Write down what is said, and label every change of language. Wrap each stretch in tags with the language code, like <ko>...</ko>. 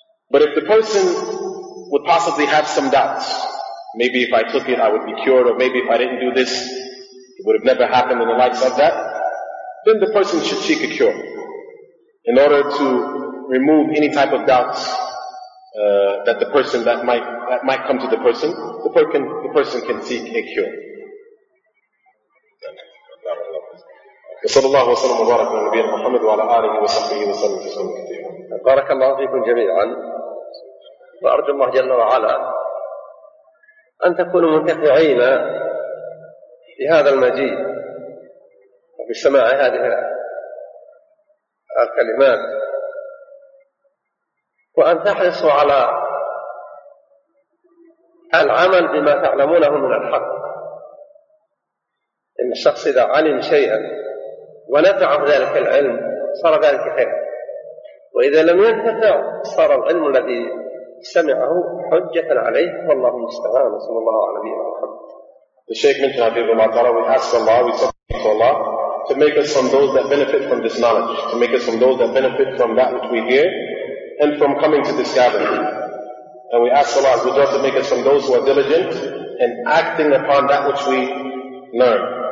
<en>But if the person would possibly have some doubts, maybe if I took it I would be cured, or maybe if I didn't do this it would have never happened in the likes of that, then the person should seek a cure in order to remove any type of doubts that might come to the person. The person can seek a cure.</en> <ar>وصلى الله وسلم وبارك على نبينا محمد وعلى آله وصحبه وسلم تسليما كثيرا. بارك الله فيكم جميعا وأرجو الله جل وعلا أن تكونوا منتفعين بهذا المجيء وبسماع هذه الكلمات وأن تحرصوا على العمل بما تعلمونه من الحق. إن الشخص إذا علم شيئا ونفع ذلك العلم صار ذلك خيرا، وإذا لم ينتفع صار العلم الذي سمعه حجة عليه. والله المستعان، صلى الله على نبينا محمد.</ar> <en>The Shaykh mentioned Habibullah Ta'ala, we ask Allah, we supplicate to Allah to make us from those that benefit from this knowledge, to make us from those that benefit from that which we hear and from coming to this gathering. And we ask Allah to make us from those who are diligent in acting upon that which we learn.</en>